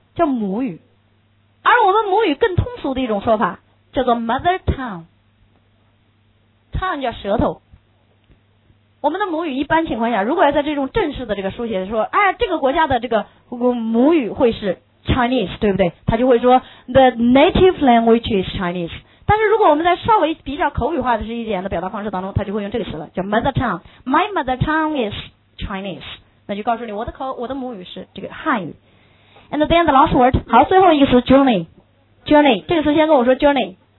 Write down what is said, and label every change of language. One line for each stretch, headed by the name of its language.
Chinese: 叫母语。而我们母语更通俗的一种说法叫做 mother tongue， tongue 叫舌头。我们的母语一般情况下，如果要在这种正式的这个书写说哎，这个国家的这个母语会是 Chinese， 对不对？他就会说
English: the native language is Chinese。
Chinese: 但是如果我们在稍微比较口语化的是一点的表达方式当中，他就会用这个词了，叫 mother tongue。
English: My mother tongue is Chinese，
Chinese: 那就告诉你我的母语是这个汉语。
English: And then the last word，
Chinese: 好，最后一个词 journey， 这个词先跟我说 journey。